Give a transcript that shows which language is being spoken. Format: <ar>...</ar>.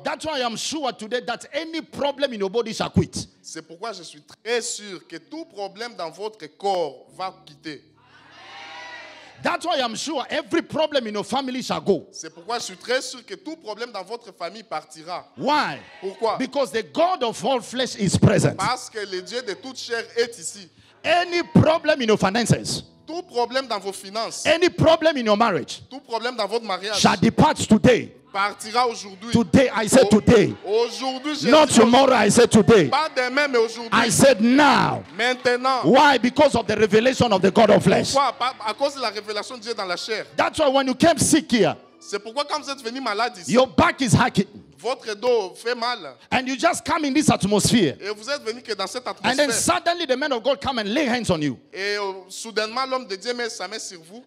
<en>That's why I am sure today that any problem in your body shall quit.</en> <fr>C'est pourquoi je suis très sûr que tout problème dans votre corps va quitter.</fr> <en>That's why I'm sure every problem in your family shall go.</en> <fr>C'est pourquoi je suis très sûr que tout problème dans votre famille partira.</fr> <en>Why?</en> <fr>Pourquoi?</fr> <en>Because the God of all flesh is present.</en> <fr>Parce que le Dieu de toute chair est ici.</fr> <en>Any problem in your finances?</en> <fr>Tout problème dans vos finances.</fr> <en>Any problem in your marriage?</en> <fr>Tout problème dans votre mariage.</fr> <en>Shall depart today.</en> <fr>Partira aujourd'hui.</fr> <en>Today, I said today.</en> <fr>Aujourd'hui, j'ai</fr> <en>not tomorrow, I said today.</en> <fr>Pas demain, mais aujourd'hui.</fr> <en>I said now.</en> <fr>Maintenant.</fr> <en>Why? Because of the revelation of the God of flesh.</en> <fr>Pourquoi? À cause de la révélation de Dieu dans la chair.</fr> <en>That's why when you came sick here,</en> <fr>c'est pourquoi quand vous êtes venu malade ici,</fr> <en>your back is hacking.</en> <fr>Votre dos fait mal.</fr> <en>And you just come in this atmosphere.</en> <fr>Et vous êtes venu que dans cette atmosphère.</fr> <en>And then suddenly the man of God come and lay hands on you.</en> <fr>Et soudainement l'homme de Dieu met sa main sur vous.</fr>